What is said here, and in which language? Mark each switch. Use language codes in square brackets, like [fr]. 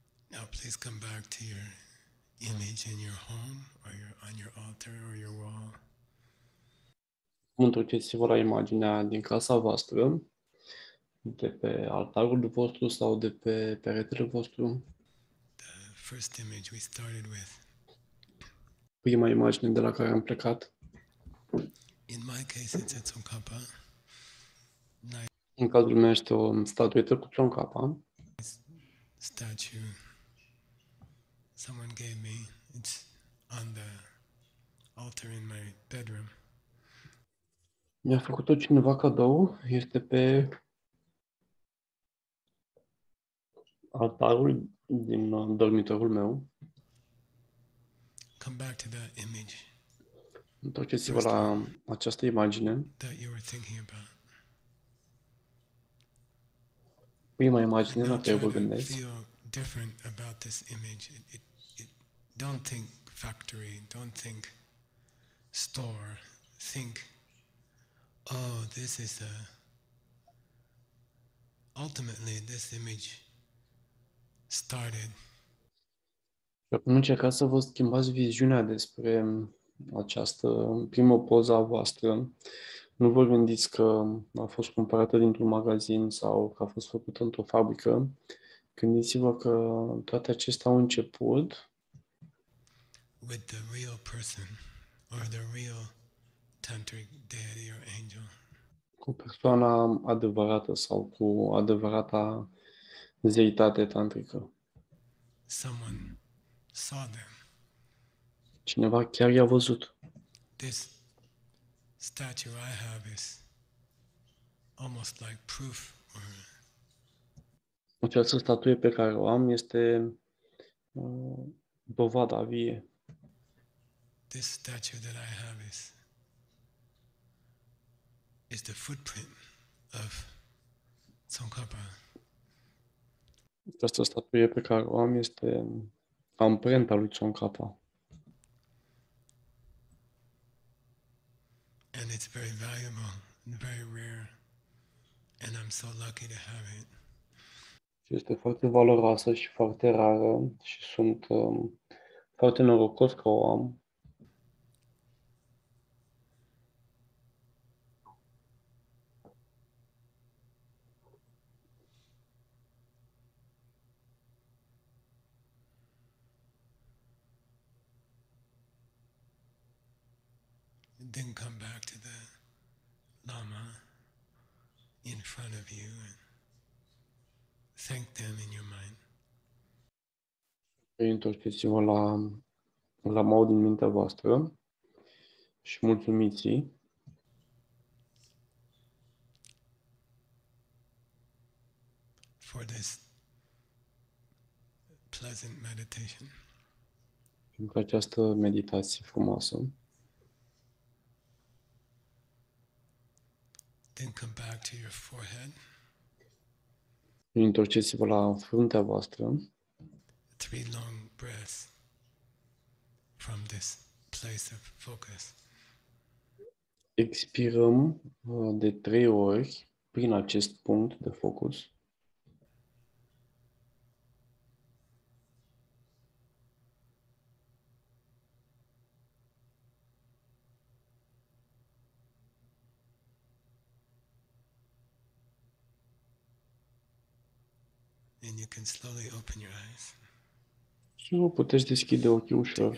[en] Now please come back to your image in your home or your on your altar or your wall. [ro] Întorceți-vă la imaginea din casa voastră, de pe altarul vostru sau de pe peretele vostru. [en] The first image we started with. [ro] Prima imagine de la care am plecat. [en] In my case it's a tsongkhapa. [ro] În cazul meu este o statuetă cu tsongkhapa. [en] Statue. Someone gave me. It's on the altar in my bedroom. [ro] Mi-a făcut-o cineva cadou. Este pe altarul din dormitorul meu. [en] Come back to that image. [ro] Întorceți-vă la această imagine. [en] That you were thinking about. [ro] Prima imagine la care vă gândesc. [en] Feel different about this image. It don't think factory, don't think store, think oh, this is a ultimately this image started. [ro] Nu încercați să vă schimbați viziunea despre această primă poza voastră. Nu vă gândiți că a fost cumpărată dintr-un magazin sau că a fost făcută într-o fabrică. Gândiți-vă că toate acestea au început [en] with the real person or the real tantric deity or angel. [ro] Cu persoana adevărată sau cu adevărata zeitate tantrică. [en] Someone saw them. [ro] Cineva chiar i-a văzut. [en] This statue I have is almost like proof. [ro] Această statuie pe care o am este dovada vie. [en] This statue that I have is the footprint of Tsongkhapa. [ro] Această statuie pe care o am este amprenta lui Tsongkhapa. [en] And it's very valuable and very rare. And I'm so lucky to have it. [ro] Este foarte valoroasă și foarte rară și sunt foarte norocos că o am. [en] Then come back to the lama in front of you and thank them in your mind. [ro] Întorceți-vă la lama din mintea voastră și mulțumiți. [en] For this pleasant meditation. [ro] Pentru această meditație frumoasă. [en] Then come back to your forehead. [ro] Întorceți-vă la fruntea voastră. [en] Three long breaths from this place of focus. [ro] Expirăm de trei ori prin acest punct de focus. [en] And you can slowly open your eyes. [ro] Și vă puteți deschide ochii ușor.